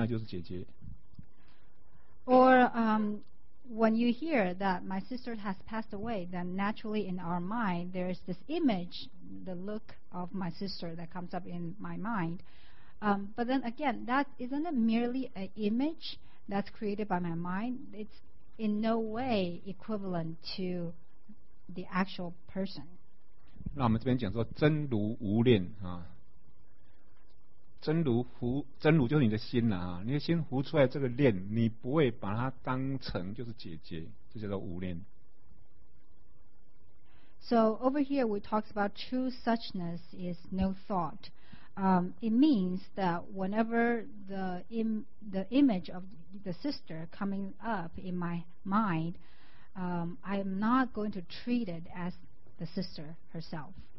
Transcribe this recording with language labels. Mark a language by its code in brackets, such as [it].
[zh] 另外一个就是说，你心里呼听到这样一个声音，我的姐姐，你的姐姐死掉了，那我是呼出一个影像，其实那个那是影像，怎么是我？怎么是什么？是我的姐姐，可是我们认为那就是姐姐。 [en] Or when you hear that my sister has passed away, then naturally in our mind there is this image, the look of my sister that comes up in my mind. But then again, that isn't it merely an image that's created by my mind. It's in no way equivalent to the actual person. [zh] 那我们这边讲说真如无念啊，真如就是你的心呐啊，你的心浮出来这个念，你不会把它当成就是姐姐，这叫做无念。 [en] So over here we talk about true suchness is no thought. It means that whenever the image of the sister coming up in my mind, I am not going to treat it as the sister herself.